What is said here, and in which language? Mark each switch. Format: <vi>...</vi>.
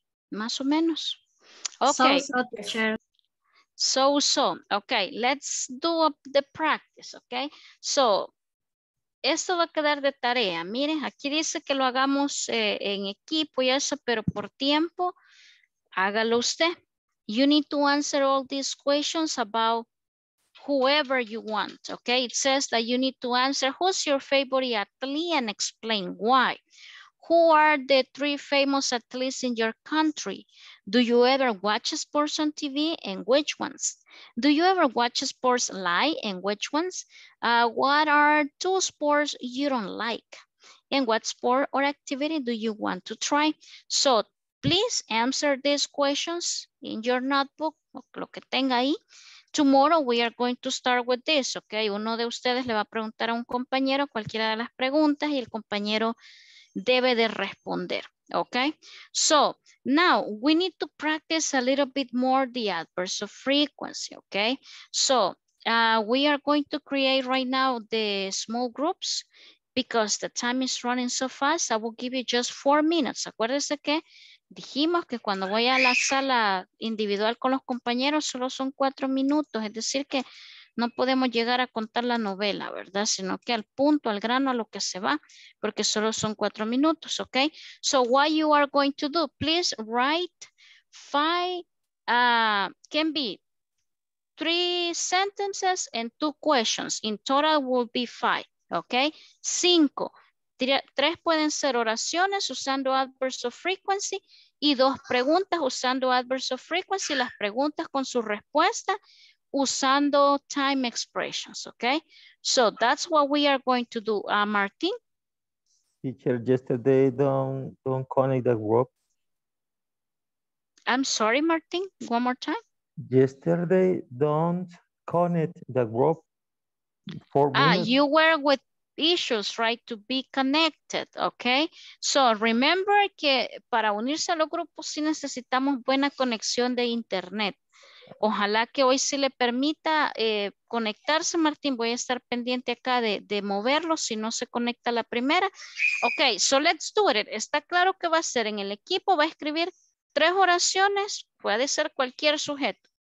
<es>Más o menos. Okay.</es> <en>So. Okay, let's do the practice, okay? So,</en> <es>esto va a quedar de tarea. Miren, aquí dice que lo hagamos en equipo y eso, pero por tiempo, hágalo usted.</es> <en>You need to answer all these questions about whoever you want, okay? It says that you need to answer who's your favorite athlete and explain why. Who are the 3 famous athletes in your country? Do you ever watch sports on TV and which ones? Do you ever watch sports live and which ones? What are 2 sports you don't like? And what sport or activity do you want to try? So, please answer these questions in your notebook,</en> <es>lo que tenga ahí.</es> <en>Tomorrow we are going to start with this, okay?</en> <es>Uno de ustedes le va a preguntar a un compañero cualquiera de las preguntas y el compañero debe de responder, okay?</es> <en>So, now we need to practice a little bit more the adverbs of frequency, okay? So, we are going to create right now the small groups. Because the time is running so fast, I will give you just 4 minutes.</en> <es>Acuérdense que dijimos que cuando voy a la sala individual con los compañeros solo son 4 minutos. Es decir que no podemos llegar a contar la novela, ¿verdad? Sino que al punto, al grano, a lo que se va, porque solo son 4 minutos, ¿ok?</es> <en>So what you are going to do, please write 3 sentences and 2 questions. In total will be 5. Okay, 5.</en> <es>3 pueden ser oraciones usando adverbs of frequency y 2 preguntas usando adverbs of frequency, las preguntas con su respuesta usando time expressions.</es> <en>Okay, so that's what we are going to do. Martin? Teacher, yesterday don't connect the group. I'm sorry, Martin, one more time. Yesterday don't connect the group. You were with issues, right, to be connected, okay? So remember</en> <es>que para unirse a los grupos sí necesitamos buena conexión de internet. Ojalá que hoy sí le permita conectarse, Martín. Voy a estar pendiente acá de moverlo si no se conecta la primera.</es> <en>Okay, so let's do it.</en> <es>Está claro que va a ser en el equipo, va a escribir 3 oraciones, puede ser cualquier sujeto.</es>